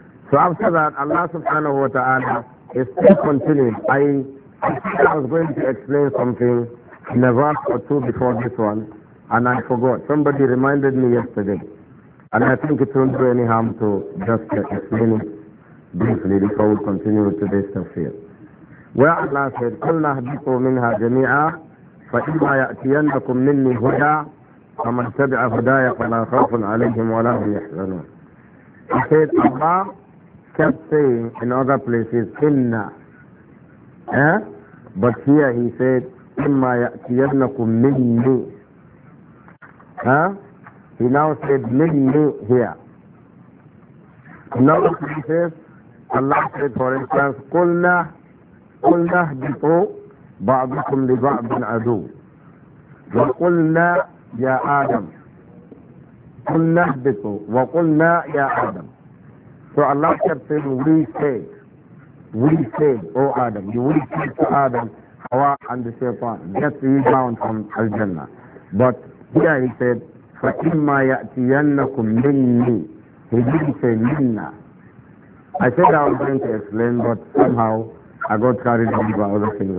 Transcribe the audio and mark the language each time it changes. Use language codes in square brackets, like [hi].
[en] So after that, Allah subhanahu wa ta'ala is still continuing. I think I was going to explain something in a verse or two before this one, and I forgot. Somebody reminded me yesterday. And I think it won't do any harm to just explain it briefly before we continue with today's tafsir. Where Allah said, [ar] قُلْنَا هَدِيْتُوا مِنْهَا جَمِيعًا فَإِمَّا يَأْتِيَنَّكُمْ مِنِّي هُدَى فَمَنْ تَبِعَ هُدَايَ فَلَا خَوْفٌ عَلَيْهِمْ وَلَا هُمْ يَحْزَنُونَ. [en] He said, Allah kept saying in other places, إِنَّا. But here He said, [ar] إِمَّا يَأْتِيَنَّكُمْ مِنِّي. [en] He now said, مِنِّي here. In other places, Allah said, for instance, [ar] قُلْنَا قُلْنَا اهْبِطُوا بَعْضُكُمْ لِبَعْضٍ عَدُوٌّ وَقُلْنَا يَا آدَمُ قُلْنَا اهْبِطُوا وَقُلْنَا يَا آدَمُ. [en] So Allah kept saying, we say, O Adam, you will say to Adam, Hawa and the Shaitan, get you down from Al-Jannah. But here He said, [ar] فَإِمَّا يَأْتِيَنَّكُمْ مِنِّي. [en] He didn't say مِنَّا. I said I was going to explain, but somehow I got carried on by other things.